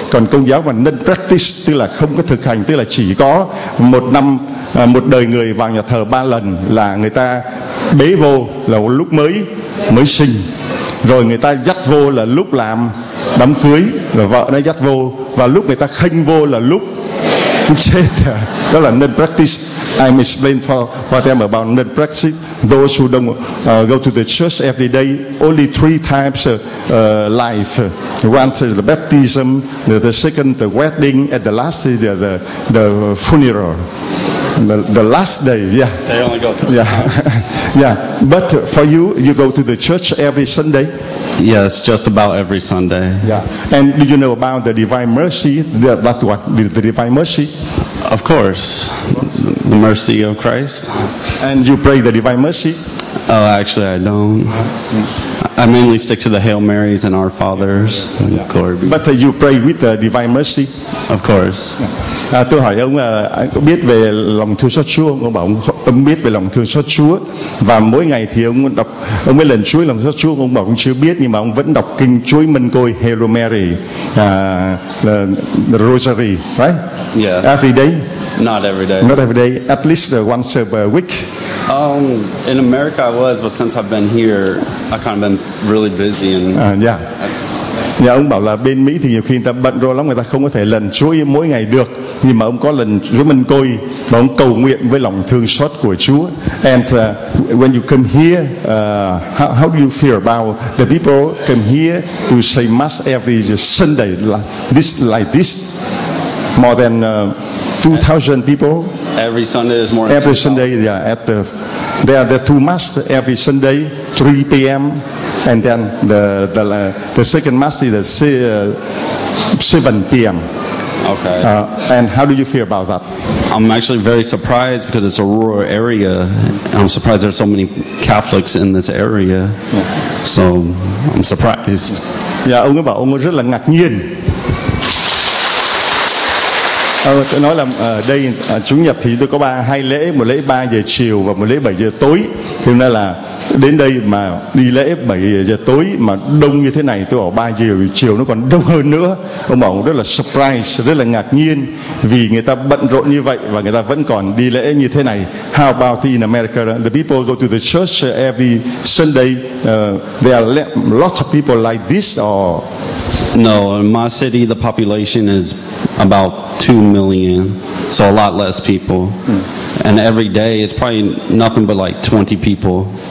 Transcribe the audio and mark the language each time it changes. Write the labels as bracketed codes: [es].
[vi] Còn Công giáo mà non practice tức là không có thực hành, tức là chỉ có một năm, một đời người vào nhà thờ ba lần, là người ta bế vô là lúc mới sinh, rồi người ta dắt vô là lúc làm đám cưới, là vợ nó dắt vô, và lúc người ta khênh vô là lúc chết. Đó là [en] non practice. I'm explain for them about non practice. Those who don't go to the church every day, only three times life. One is the baptism, the second the wedding, and the last is the funeral. The last day, yeah. They only go three times. Yeah. But for you, you go to the church every Sunday? Yes, just about every Sunday. Yeah. And do you know about the Divine Mercy? That's what? The Divine Mercy? Of course. The mercy of Christ. And you pray the Divine Mercy? Oh, actually, I don't. I mainly stick to the Hail Marys and Our Fathers. Yeah. Glory. But you pray with the Divine Mercy? Of course. Yeah. [vi] Tôi hỏi ông, có biết về lòng thương xót Chúa không? Ông bảo ông biết về lòng thương xót Chúa. Và mỗi ngày thì ông đọc, ông mới lần chuối lòng xót Chúa. Ông bảo ông chưa biết, nhưng mà ông vẫn đọc kinh chuối mân côi, [en] Hail Mary, the Rosary, right? Yeah. Every day? Not every day. Not every day. At least once a week. In America I was, but since I've been here, I've kind of been really busy. And [vi] Nhà ông bảo là bên Mỹ thì nhiều khi người ta bận rồi lắm, người ta không có thể lần chuối mỗi ngày được. Nhưng mà ông có lần chuối mân côi và ông cầu nguyện với lòng thương xót của Chúa. [en] And when you come here, how do you feel about the people come here to say mass every Sunday like this? More than 2,000 people. Every Sunday is more than every 2,000. Sunday, yeah. At the, there are the two mass every Sunday, 3 p.m. and then the second mass is at 7 p.m. Okay. And how do you feel about that? I'm actually very surprised because it's a rural area. I'm surprised there are so many Catholics in this area. Yeah. So I'm surprised. [vi] Yeah, ông ấy bảo ông ấy rất là ngạc nhiên. Tôi nói là đây Chủ nhật thì tôi có hai lễ, một lễ 3 giờ chiều và một lễ 7 giờ tối. Thế nên là đến đây mà đi lễ 7 giờ tối mà đông như thế này, tôi bảo 3 giờ chiều nó còn đông hơn nữa. Ông bảo rất là surprise, rất là ngạc nhiên vì người ta bận rộn như vậy và người ta vẫn còn đi lễ như thế này. [en] How about in America? The people go to the church every Sunday. There are lots of people like this or... No, in my city the population is about 2 million, so a lot less people. And every day it's probably nothing but like 20 people.